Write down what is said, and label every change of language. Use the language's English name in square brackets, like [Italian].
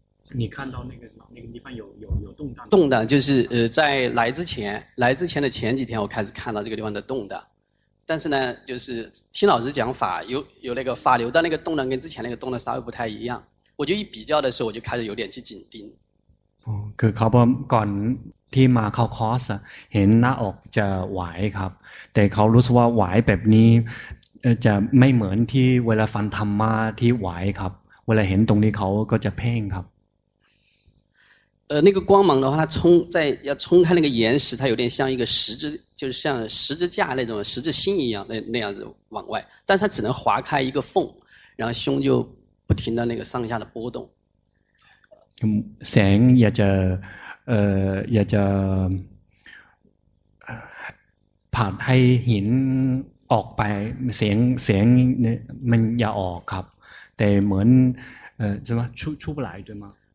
[Chinese] 你看到那个地方有动荡？动荡就是在来之前的前几天，我开始看到这个地方的动荡。但是呢，就是听老师讲法，有那个法流的那个动荡跟之前那个动荡稍微不太一样。我就一比较的时候，我就开始有点去紧盯。 [Thai] 哦，คือเขาก่อนที่มาเข้าคอร์สเห็นหน้าอกจะไหวครับแต่เขารู้สึกว่าไหวแบบนี้จะไม่เหมือนที่เวลาฟังธรรมะที่ไหวครับเวลาเห็นตรงนี้เขาก็จะเพ่งครับ [Chinese] 那个光芒的话，它要冲开那个岩石，它有点像一个十字，就是像十字架那种十字星一样，那样子往外，但是它只能划开一个缝，然后胸就不停的那个上下的波动。想要就要就拍开影 [Thai] ออกไป [Chinese] 想那门要 [Thai] ออกครับ [Chinese] 但 [Thai] เหมือน [Chinese] 怎么出不来对吗？